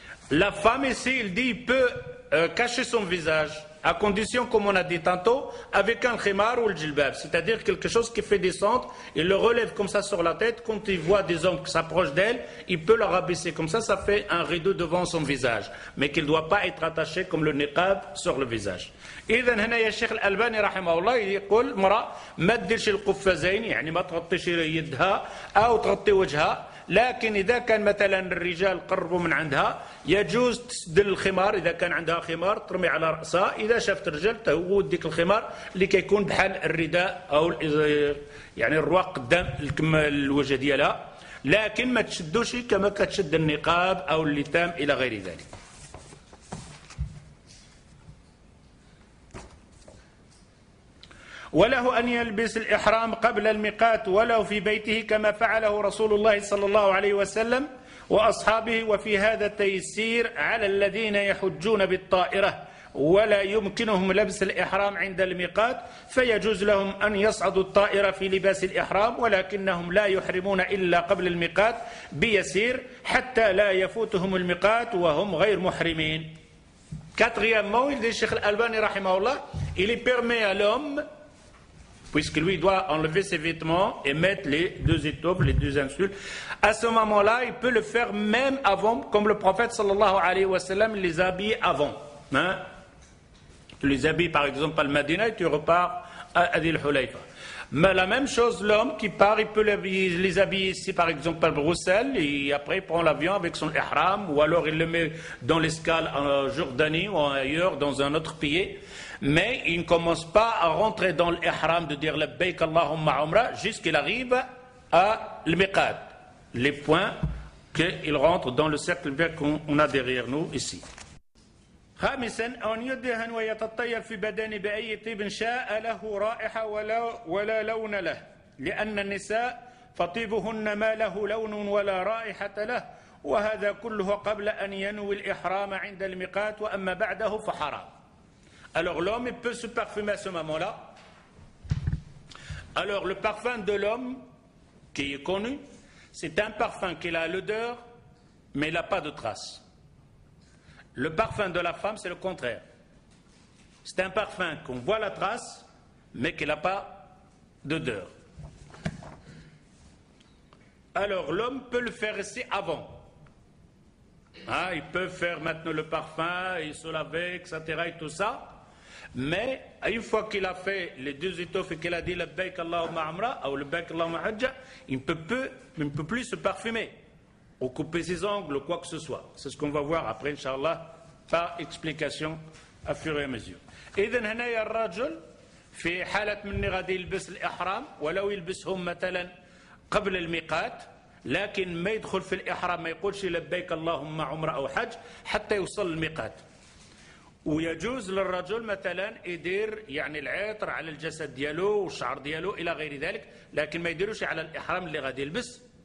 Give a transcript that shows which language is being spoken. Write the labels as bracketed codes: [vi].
[fr] La femme ici, il dit, peut cacher son visage à condition, comme on a dit tantôt, avec un khimar ou le jilbab, c'est-à-dire quelque chose qui fait descendre, il le relève comme ça sur la tête. Quand il voit des hommes qui s'approchent d'elle, il peut leur abaisser comme ça, ça fait un rideau devant son visage, mais qu'il ne doit pas être attaché comme le niqab sur le visage. [ar] إذن هنا يا شيخ الألباني رحمه الله يقول مرأة ما تدلش القفازين يعني ما تغطيش يدها أو تغطي وجهها. لكن إذا كان مثلا الرجال قربوا من عندها يجوز تسدل الخمار. إذا كان عندها خمار ترمي على رأسها. إذا شفت الرجال تهود ديك الخمار اللي كيكون بحال الرداء أو يعني الرواق قدام الوجه ديالها. لكن ما تشدوش كما كتشد النقاب أو اللتام إلى غير ذلك. وله أن يلبس الإحرام قبل الميقات ولو في بيته كما فعله رسول الله صلى الله عليه وسلم وأصحابه. وفي هذا تيسير على الذين يحجون بالطائرة ولا يمكنهم لبس الإحرام عند الميقات فيجوز لهم أن يصعدوا الطائرة في لباس الإحرام ولكنهم لا يحرمون إلا قبل الميقات بيسير حتى لا يفوتهم الميقات وهم غير محرمين. كاتريامون الشيخ الألباني رحمه الله إلي بيرمي لهم [fr] puisque lui doit enlever ses vêtements et mettre les deux étoffes, les deux insultes. À ce moment-là, il peut le faire même avant, comme le prophète sallallahu alayhi wa sallam les habille avant. Hein? Tu les habilles par exemple à Al-Madina et tu repars à Adil-Hulayfa. Mais la même chose, l'homme qui part, il peut les habiller ici par exemple à Bruxelles et après il prend l'avion avec son ihram ou alors il le met dans l'escale en Jordanie ou ailleurs dans un autre pays. Mais il ne commence pas à rentrer dans l'ihram de dire labbayk Allahumma umra jusqu'il arrive à l'miqat, les points qu'il rentre dans le cercle vert qu'on a derrière nous ici. [ar] خامسا أن يدهن ويتطيب في بدن بأي طيب شاء له رائحة ولا لون له لأن النساء فطيبهن ما له لون ولا رائحة له وهذا كله قبل أن ينوي الإحرام عند الميقات وأما بعده فحرام. [fr] Alors l'homme peut se parfumer à ce moment-là. Alors le parfum de l'homme qui est connu, c'est un parfum qui a l'odeur mais il n'a pas de trace. Le parfum de la femme, c'est le contraire. C'est un parfum qu'on voit la trace, mais qu'il n'a pas d'odeur. Alors, l'homme peut le faire ici avant. Hein, il peut faire maintenant le parfum, il se laver, etc. et tout ça. Mais une fois qu'il a fait les deux étoffes et qu'il a dit le bayk Allahumma amra ou le bayk Allahumma hajja, il ne peut plus se parfumer ou couper ses ongles ou quoi que ce soit. C'est ce qu'on va voir après, Inch'Allah, par explication à fur et à mesure. Et donc, il y a un [ar] rajoul في حالة من غادي يلبس الإحرام ولو يلبسهم مثلا قبل الميقات لكن ما يدخل في الإحرام ما يقولش لبيك اللهم عمرة أو حج حتى يوصل الميقات ويجوز للرجل مثلا يدير يعني العطر على الجسد ديالو والشعر ديالو إلى غير ذلك لكن ما يديروش على الإحرام اللي غادي يلبس